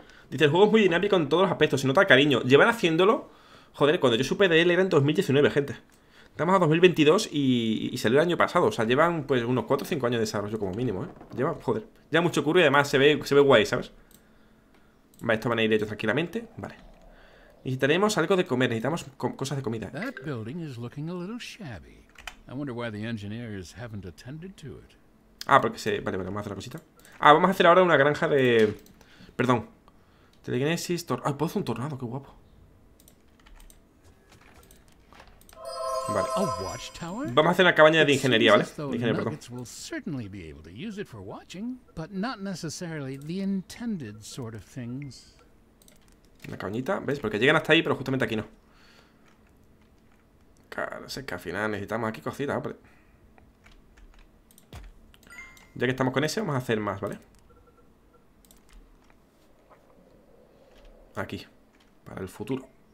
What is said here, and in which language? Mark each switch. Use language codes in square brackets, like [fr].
[es] Dice, el juego es muy dinámico en todos los aspectos, se nota el cariño. Llevan haciéndolo, joder, cuando yo supe de él era en 2019, gente. Estamos a 2022 y salió el año pasado, o sea, llevan pues unos 4 o 5 años de desarrollo como mínimo, ¿eh? Lleva, joder, ya mucho curro y además se ve guay, ¿sabes? Vale, estos van a ir ellos tranquilamente, vale. Necesitaremos algo de comer, necesitamos cosas de comida. [en] That building is looking a little shabby. I wonder why the engineers haven't attended to it. [es] Ah, porque se... Vale, vale, vamos a hacer la cosita. Ah, vamos a hacer ahora una granja de... Perdón. Telekinesis, tornado... Ah, puedo hacer un tornado, qué guapo. Vale. Vamos a hacer una cabaña de ingeniería, ¿vale? De ingeniería, perdón. [en] Nuggets will certainly be able to use it for watching, but not necessarily the intended sort of things. [es] La cañita, ¿ves? Porque llegan hasta ahí, pero justamente aquí no. Claro, es que al final necesitamos aquí cositas, hombre. Ya que estamos con ese, vamos a hacer más, ¿vale? Aquí, para el futuro.